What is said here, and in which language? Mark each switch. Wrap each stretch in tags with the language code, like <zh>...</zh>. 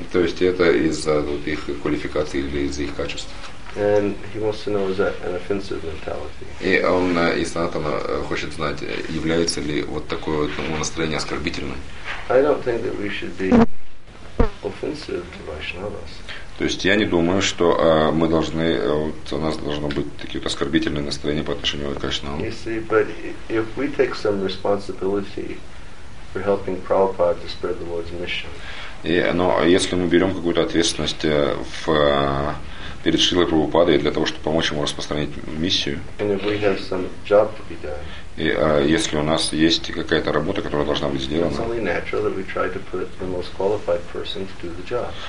<ru>То есть это из-за их квалификаций или из-за их качеств.</ru> <en>And he wants to know, is that an offensive mentality?</en> <ru>И он и Санатана хочет знать, является ли вот такое настроение оскорбительным.</ru> <en>I don't think that we should be offensive to Vaishnavas.</en> <ru>То есть я не думаю, что мы должны, вот, у нас должно быть такие вот оскорбительные настроения по отношению к Кришнаму.</ru> <en>You see, but if we take some responsibility for helping Prabhupada to spread the Lord's mission.</en> <ru>Но если мы берем какую-то ответственность перед Шрилой Прабхупадой для того, чтобы помочь ему распространить миссию,</ru> <en>and if we have some job to be done,</en> <ru>и если у нас есть какая-то работа, которая должна быть сделана,</ru> <en>it's only natural that we try to put the most qualified person to do the job.</en>